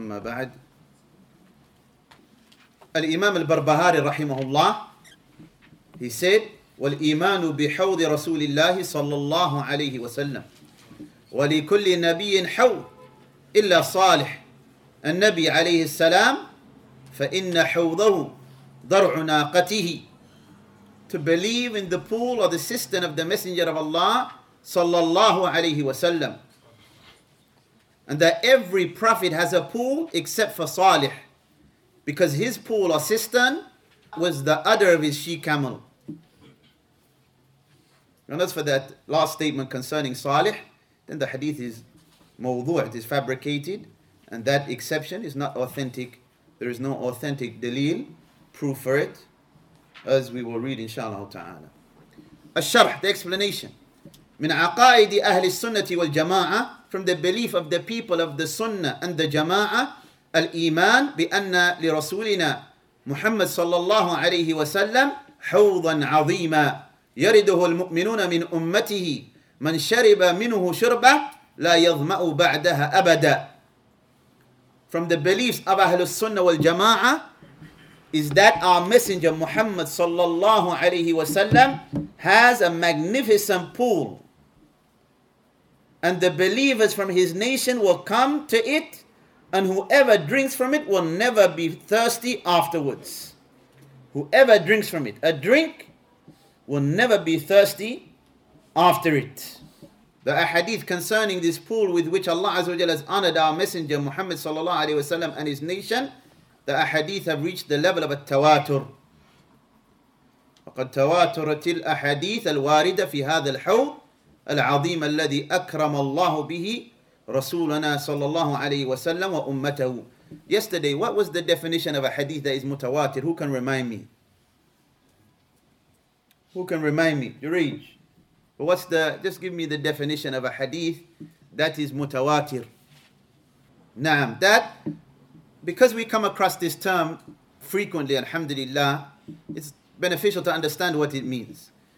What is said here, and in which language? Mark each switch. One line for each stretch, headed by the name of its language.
Arabic: أما بعد، الإمام البربهاري رحمه الله
English: he said
Arabic: والإيمان بحوض رسول الله صلى الله عليه وسلم ولكل نبي حوض إلا صالح النبي عليه السلام فإن حوضه ضرع ناقته.
English: To believe in the pool or the cistern of the Messenger of Allah صلى الله عليه وسلم, and that every prophet has a pool except for Salih, because his pool or cistern was the udder of his she camel. And as for that last statement concerning Salih, then the hadith is mawdu', it is fabricated, and that exception is not authentic. There is no authentic dalil, proof for it, as we will read inshallah ta'ala. Al-Sharh, the explanation.
Arabic: Min aqaidi ahli sunnati wal jama'a,
English: from the belief of the people of the sunnah and the jama'a,
Arabic: al-iman bi anna li rasulina Muhammad sallallahu alayhi wa sallam hawdan azima. يرده المؤمنون من أمته من شرب منه شربة لا يضمأ بعدها أبدا.
English: From the beliefs of Ahlul Sunnah wal Jama'ah is that our Messenger Muhammad sallallahu alayhi wa sallam has a magnificent pool, and the believers from his nation will come to it, and whoever drinks from it will never be thirsty afterwards. Whoever drinks from it, a drink will never be thirsty after it. The ahadith concerning this pool with which Allah Azza wa Jalla has honored our Messenger Muhammad sallallahu alaihi wasallam and his nation, the ahadith have reached the level of التواتر.
Arabic: وقد تواترت الأحاديث الواردة في هذا الحوض العظيم الذي أكرم الله به رسولنا صلى الله عليه وسلم وأمته.
English: Yesterday, what was the definition of a hadith that is mutawatir? Who can remind me? Who can remind me? Jureej. But what's the, just give me the definition of a hadith that is mutawatir. Naam. That, because we come across this term frequently, alhamdulillah, it's beneficial to understand what it means.